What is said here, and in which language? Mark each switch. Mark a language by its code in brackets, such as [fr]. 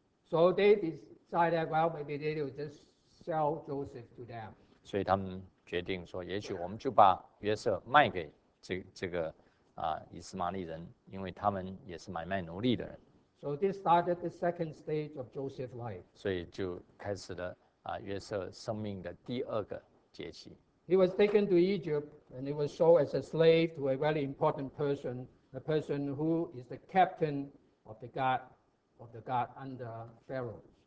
[en] So they decided, well, maybe they will just sell Joseph to them. [zh] 所以他们决定说，也许我们就把约瑟卖给这个以斯玛利人，因为他们也是买卖奴隶的人。 [en] So this started the second stage of Joseph's life. [zh] 所以就开始了约瑟生命的第二个节期。 [en] He was taken to Egypt and he was sold as a slave to a very important person, a person who is the captain of the guard under Pharaoh.